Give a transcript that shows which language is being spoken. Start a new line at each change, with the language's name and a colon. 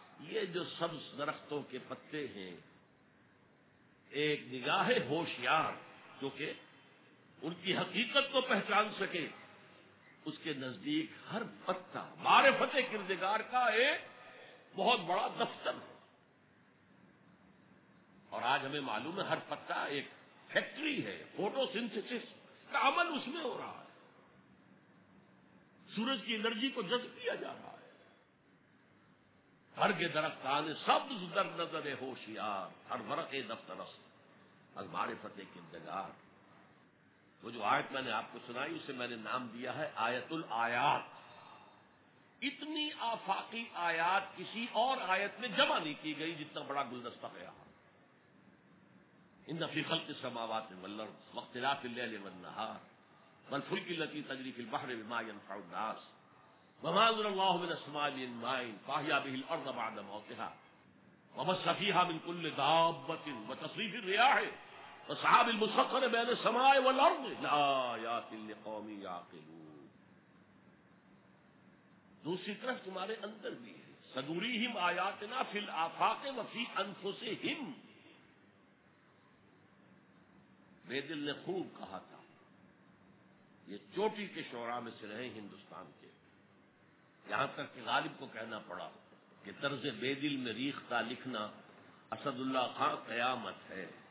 Urdu: یہ جو سبز درختوں کے پتے ہیں، ایک نگاہ ہوشیار جو کہ ان کی حقیقت کو پہچان سکے، اس کے نزدیک ہر پتا معرفت کردگار کا ایک بہت بڑا دفتر ہے. اور آج ہمیں معلوم ہے ہر پتا ایک فیکٹری ہے، فوٹو سنتھسس کا عمل اس میں ہو رہا ہے، سورج کی انرجی کو جذب کیا جا رہا ہے.
Persian: برگ درخت آنے سبز در نظر ہوشیار، ہر ورق دفترست از معرفت کردگار.
Urdu: وہ جو آیت میں نے آپ کو سنائی، اسے میں نے نام دیا ہے آیت الآیات. اتنی آفاقی آیات کسی اور آیت میں جمع نہیں کی گئی جتنا بڑا گلدستہ ہے.
Arabic: ان فی خلق السماوات والارض واختلاف الليل والنهار والفلك التي تجري في البحر بما ينفع الناس وما انزل الله من السماء من ماء فاحيا به الارض بعد موتها وبث فيها من كل دابة وتصريف الرياح وسحاب المسخر بين السماء والارض لآيات لقوم يعقلون.
Urdu: دوسری طرف تمہارے اندر بھی ہے،
Arabic: صدورهم آیاتنا في الآفاق وفي انفسهم.
Urdu: بیدل نے خوب کہا تھا، یہ چوٹی کے شعرا میں سے رہے ہندوستان کے، یہاں تک کہ غالب کو کہنا پڑا کہ طرز بیدل میں ریختہ لکھنا اسد اللہ خان قیامت ہے.